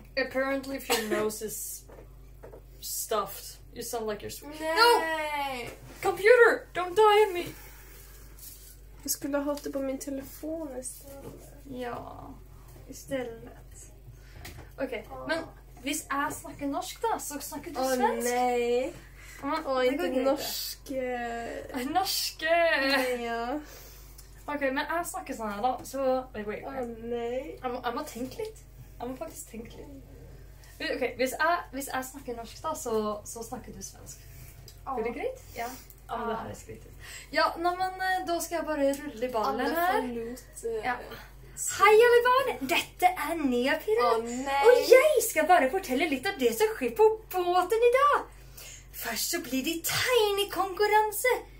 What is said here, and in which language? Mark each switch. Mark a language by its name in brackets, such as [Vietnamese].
[English] Apparently, if your nose is stuffed, you sound like you're Swedish. [Swedish] Nej! No! [English] Computer, don't die on me! [Swedish] Jag skulle ha haft det på min telefon istället. Ja, istället. Okej, okay, men hvis jag snackar norsk då, så snackar du svensk? Åh, nej. Åh, inte norske. [Norwegian] Norske! [Swedish] Nej, ja. Okej, men jag snackar sån här då, så... [English] Wait. [Swedish] Nej. Jag må tänka lite. Jag må faktiskt tänka lite. Okej, hvis jag snackar norsk då, så snackar du svensk. Ja. Är det grejt? Ja. Ja, det här är skrytigt. Ja, men då ska jag bara rulla i ballen här. Alla förlåt. [Norwegian] Ja. Hei alle barn, dette er Nea Pira. Åh, nei. Og jeg skal bare fortelle litt av det som skjer på båten i dag. Først så blir det tegnekonkurranse.